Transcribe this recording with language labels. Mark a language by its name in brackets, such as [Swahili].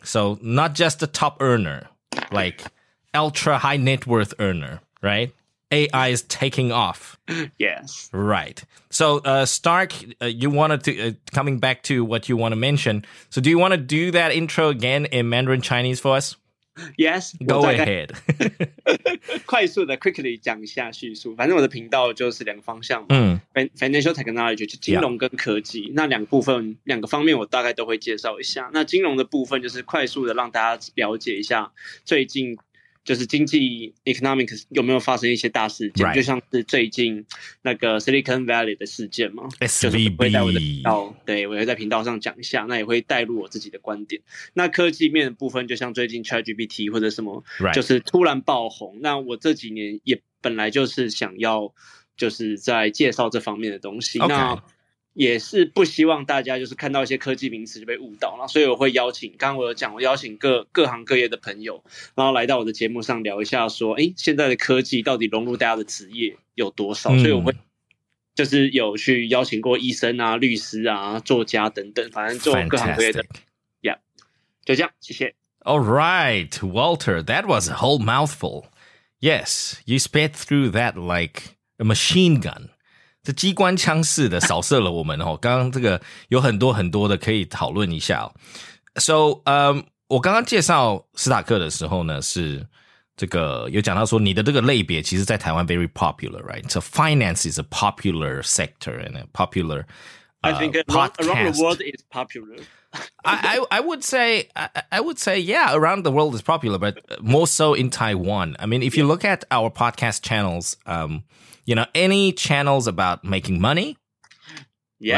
[English] So not just the top earner, like ultra high net worth earner, right? AI is taking off. Yes. Right. So, Stark, you wanted to, coming back to what you want to mention. So, do you want to do that intro again in Mandarin Chinese for us? Yes. Go ahead. [Chinese] 快速的 quickly 讲一下叙述。反正我的频道就是两个方向嘛。 Financial technology, 就金融跟科技。Yeah. 那两部分，两个方面我大概都会介绍一下。那金融的部分就是快速的让大家了解一下最近就是经济 economics 有没有发生一些大事件、 [English] right. [Chinese] 就像是最近那个 Silicon Valley 的事件嘛 [English] SVB、 [Chinese] 就是、会在我的频道对我会在频道上讲一下那也会带入我自己的观点那科技面的部分就像最近 ChatGPT 或者什么、 [English] right. [Chinese] 就是突然爆红那我这几年也本来就是想要就是在介绍这方面的东西、 [English] okay. [Chinese] 那也是不希望大家就是看到一些科技名词就被误导了，所以我会邀请，刚刚我有讲，我邀请各行各业的朋友，然后来到我的节目上聊一下，说，哎，现在的科技到底融入大家的职业有多少？所以我会就是有去邀请过医生啊、律师啊、作家等等，反正做各行各业的 ，Yeah， 就这样，谢谢。 [English] All right, Walter, that was a whole mouthful. Yes, you spit through that like a machine gun. [Chinese] 这机关枪式的扫射了我们、哦、刚刚这个有很多很多的可以讨论一下、哦、So、我刚刚介绍斯塔克的时候呢是这个有讲到说你的这个类别其实在台湾 [English] very popular right So finance is a popular [Chinese] sector and a popular [English] I think around the world is popular I would say yeah around the world is popular but more so in Taiwan I mean if you look at our podcast channels You know, any channels about making money, yeah.